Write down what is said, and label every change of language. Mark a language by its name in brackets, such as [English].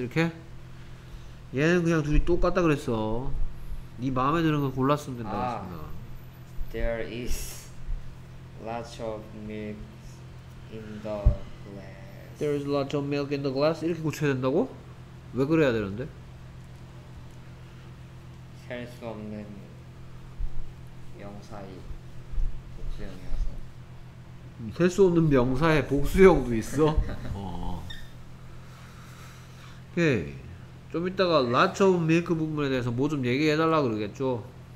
[Korean] 이렇게 얘는 그냥 둘이 똑같다 그랬어. 네 마음에 드는 걸 골랐으면 된다고 했습니다. [English] There is lots of milk in the glass. There is lots of milk in the glass. [Korean] 이렇게 고쳐야 된다고? 왜 그래야 되는데? 셀 수 없는 명사의 복수형이어서 셀 수 없는 명사의 복수형도 있어? 오케이. 좀 이따가 lots of milk 부분에 대해서 뭐 좀 얘기해 달라고 그러겠죠.